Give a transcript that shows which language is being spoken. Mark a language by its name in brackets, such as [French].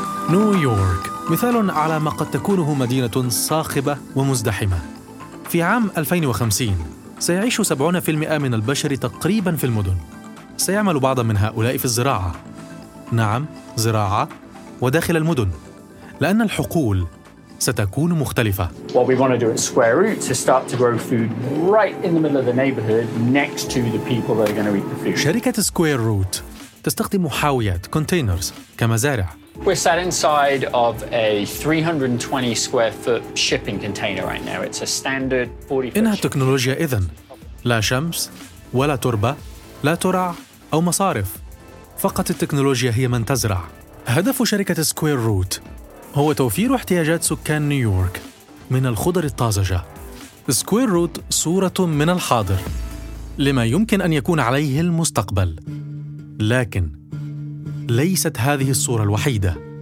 [Arabic] نيويورك مثال على ما قد تكونه مدينة صاخبة ومزدحمة. في عام 2050 سيعيش 70% من البشر تقريباً في المدن. سيعمل بعضاً من هؤلاء في الزراعة، نعم زراعة، وداخل المدن، لأن الحقول ستكون مختلفة. [English] What we want to do at Square Root to start to grow food right in the middle of the neighborhood next to the people that are going to eat the food. [Arabic] شركة Square Root تستخدم حاويات containers كمزارع. [English] We're sat inside of a 320 square foot shipping container right now. It's a standard 40. [Arabic] إنها تكنولوجيا إذن، لا شمس ولا تربة، لا ترع أو مصارف، فقط التكنولوجيا هي من تزرع. هدف شركة Square Root هو توفير احتياجات سكان نيويورك من الخضر الطازجة. Square Root صورة من الحاضر لما يمكن أن يكون عليه المستقبل، لكن ليست هذه الصورة الوحيدة.